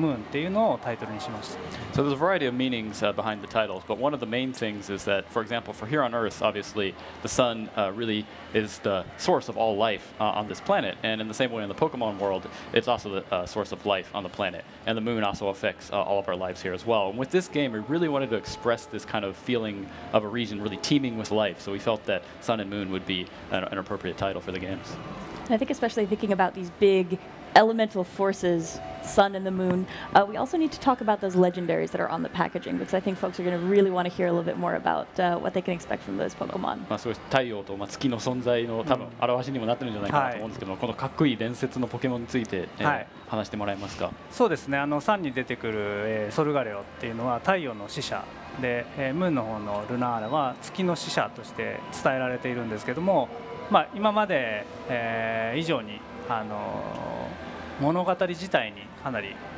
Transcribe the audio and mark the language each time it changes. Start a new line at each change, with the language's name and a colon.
Japanese: まあ、そのコアとなっているものっていうのはやっぱり太陽と月っていうのは、あの、非常にこう大切なものだと思うんですね。で、今回はその、まあ、生命をまあ、よりこう魅力的に、あの、見せていきたいっていう思いもあって、まあ、その一番影響のあるもの、サンとムーンっていうのをタイトルにしました。
English: So there's a variety of meanings behind the titles, but one of the main things is that, for example, for here on Earth, obviously, the sun really is the source of all life on this planet. And in the same way in the Pokemon world, it's also the source of life on the planet. And the moon also affects all of our lives here as well. And with this game, we really wanted to express this kind of feeling of a region really teeming with life. So we felt that Sun and Moon would be an appropriate title for the games. I think especially thinking about these big elemental forces, sun and the moon, we also need to talk about those legendaries that are on the packaging, because I think folks are going to really want to hear a little bit more about what they can expect from those Pokemon.
Japanese: まあ、そういう太陽と月の存在の多分表しにもなってるんじゃないかなと思うんですけども、このかっこいい伝説のポケモンについて話してもらえますか。そうですね。あのサンに出てくるソルガレオっていうのは太陽の使者で、ムーンの方のルナーラは月の使者として伝えられているんですけども、まあ今まで以上にあの物語自体にかなり